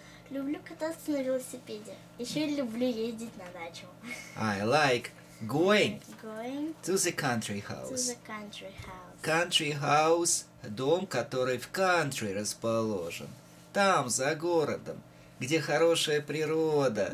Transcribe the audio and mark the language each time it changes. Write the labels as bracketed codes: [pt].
[ru] Люблю кататься на велосипеде. Еще и люблю ездить на дачу. [en] I like going to the country house. [ru] Дом, который в country расположен. Там, за городом, где хорошая природа.